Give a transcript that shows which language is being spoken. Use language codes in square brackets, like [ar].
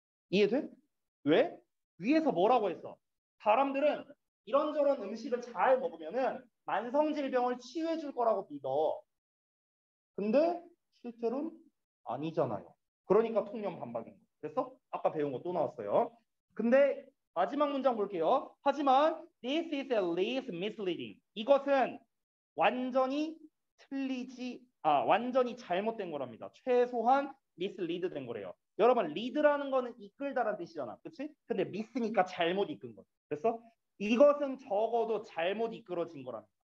[ko] 이해돼? 왜? 위에서 뭐라고 했어? 사람들은 이런저런 음식을 잘 먹으면은 만성질병을 치유해 줄 거라고 믿어. 근데 실제로는 아니잖아요. 그러니까 통념 반박인 거. 그래서 아까 배운 거또 나왔어요. 근데 마지막 문장 볼게요. 하지만 [en] this is at least misleading. [ko] 이것은 완전히 틀리지, 완전히 잘못된 거랍니다. 최소한 mislead 된 거래요. 여러분, 리드라는 거는 이끌다란 뜻이잖아. 그치? 근데 미스니까 잘못 이끈 거. 그래서 이것은 적어도 잘못 이끌어진 거랍니다.